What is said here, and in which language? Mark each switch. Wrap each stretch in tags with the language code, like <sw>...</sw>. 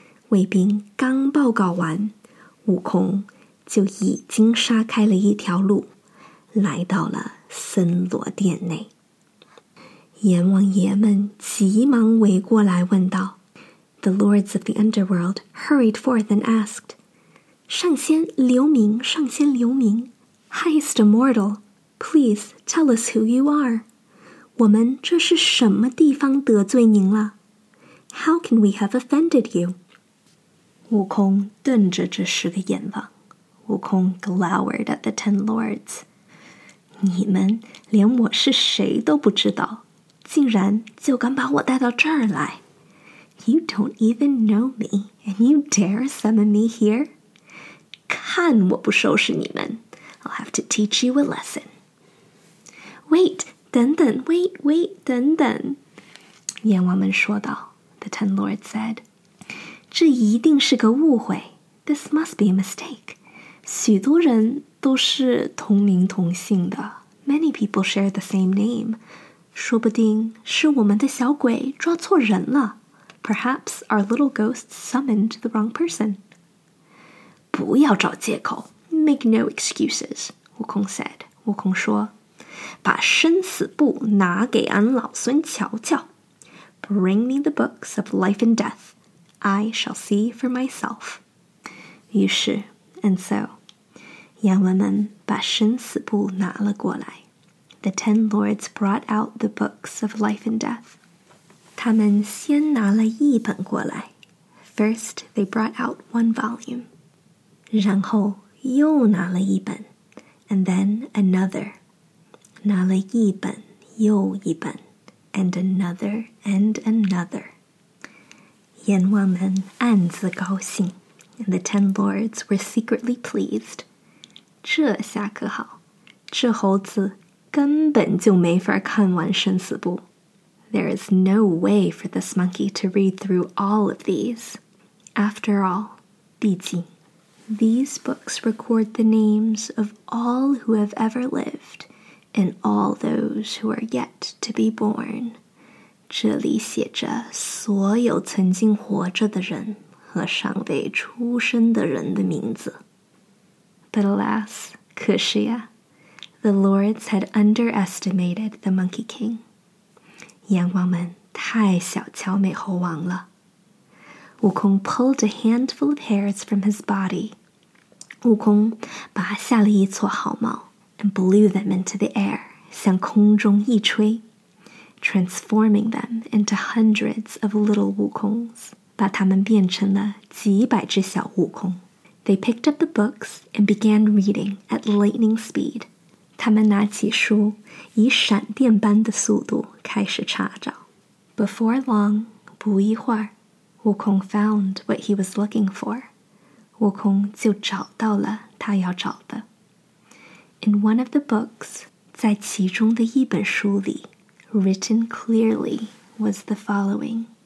<zh>卫兵刚报告完，悟空就已经杀开了一条路，来到了森罗殿内。阎王爷们急忙围过来问道。</zh> <en>The lords of the underworld hurried forth and asked,</en> <zh>上仙留名，上仙留名。</zh> <en>Highest immortal, please tell us who you are.</en> <zh>我们这是什么地方得罪您了?</zh> <en>How can we have offended you?</en> <zh>悟空瞪着这十个阎王。悟空</zh> <en>glowered at the ten lords.</en> <zh>你们连我是谁都不知道，竟然就敢把我带到这儿来。</zh> <en>You don't even know me, and you dare summon me here?</en> <zh>看我不收拾你们</zh> <en>I'll have to teach you a lesson. Wait,</en> <zh>等等</zh> <en>wait, wait, 等等。</en> <zh>阎王们说道</zh> <en>The ten lords said.</en> <zh>这一定是个误会</zh> <en>This must be a mistake.</en> <zh>许多人都是同名同姓的。</zh> <en>Many people share the same name.</en> <zh>说不定是我们的小鬼抓错人了。</zh> <en>Perhaps our little ghost summoned the wrong person.</en> <zh>不要找借口。</zh> <en>Make no excuses, 悟空 said.</en> <zh>悟空说，把生死簿拿给俺老孙瞧瞧。</zh> <en>Bring me the books of life and death. I shall see for myself.</en> <zh>于是</zh> <en>and so,</en> <zh>阎王们把生死簿拿了过来。</zh> <en>The ten lords brought out the books of life and death.</en> <zh>他们先拿了一本过来。</zh> <en>First, they brought out one volume.</en> <zh>然后又拿了一本。</zh> <en>and then another.</en> <zh>拿了一本又一本</zh> <en>and another and another.</en> <zh>阎王们暗自高兴</zh> <en>and the 10 lords were secretly pleased.</en> <zh>这下可好，这猴子根本就没法看完生死簿。</zh> <en>There is no way for this monkey to read through all of these. After all,</en> <zh>毕竟</zh> <en>these books record the names of all who have ever lived and all those who are yet to be born.</en> <zh>这里写着所有曾经活着的人和尚未出生的人的名字。</zh> <en>But alas,</en> <zh>可是呀</zh> <en>the lords had underestimated the monkey king.</en> <zh>阎王们太小瞧美猴王了。</zh> <en>悟空 pulled a handful of hairs from his body.</en> <zh>悟空拔下了一撮毫毛</zh> <en>and blew them into the air,</en> <zh>向空中一吹</zh> <en>transforming them into hundreds of little Wukongs,</en> <zh>把它们变成了几百只小悟空。</zh> <en>They picked up the books and began reading at lightning speed.</en> <zh>他们拿起书以闪电般的速度开始查找。</zh> <en>Before long,</en> <zh>不一会儿</zh> <en>Wukong found what he was looking for.</en> <zh>Wukong 就找到了他要找的。</zh> <en>In one of the books,</en> <zh>在其中的一本书里</zh> <en>written clearly was the following.</en>